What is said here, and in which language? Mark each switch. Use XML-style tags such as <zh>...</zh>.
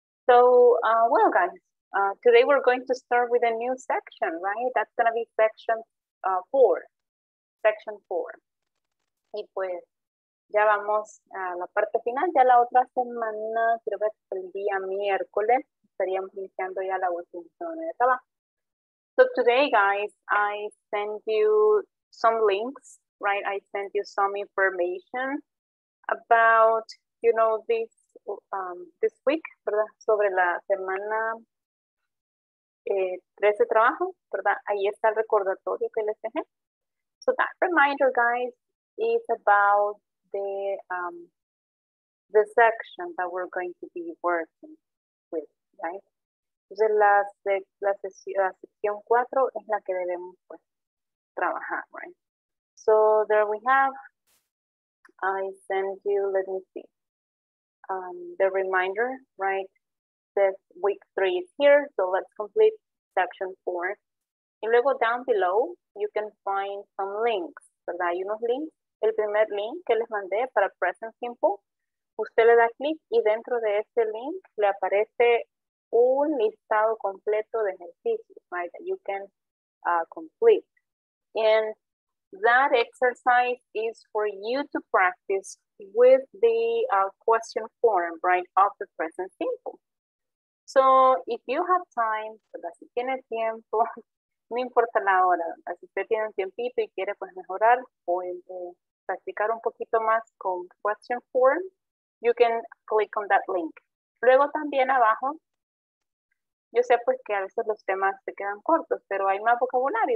<en>So, well, guys, today we're going to start with a new section, right? That's going to be section 4. Section 4.</en> <es>Y pues, ya vamos a la parte final. Ya la otra semana, creo que el día miércoles, estaríamos iniciando ya la última semana de trabajo.</es> <en>So today, guys, I sent you some links, right? I sent you some information about, you know, this week, ¿verdad?</en> <es>Sobre la semana 13 de trabajo, ¿verdad? Ahí está el recordatorio que les dejé.</es> <en>So that reminder, guys, is about the section that we're going to be working with, right?</en> <es>Entonces, la sección 4 es la que debemos, pues, trabajar, right?</es> <en>So, there we have. I send you, let me see, the reminder, right? This week 3 is here, so let's complete section 4.</en> <es>Y luego,</es> <en>down below, you can find some links, ¿verdad?</en> <es>Hay unos links. El primer link que les mandé para present simple, usted le da clic y dentro de ese link le aparece un listado completo de ejercicios, right,</es> <en>that you can complete. And that exercise is for you to practice with the question form, right, of the present simple. So if you have time, ¿verdad?</en> <es>Si tiene tiempo, no importa la hora, ¿verdad? Si usted tiene un tiempito y quiere, pues, mejorar, puede practicar un poquito más con question form,</es> <en>you can click on that link.</en> <es>Luego también abajo, yo sé pues que a veces los temas se quedan cortos, pero hay más vocabulario.</es>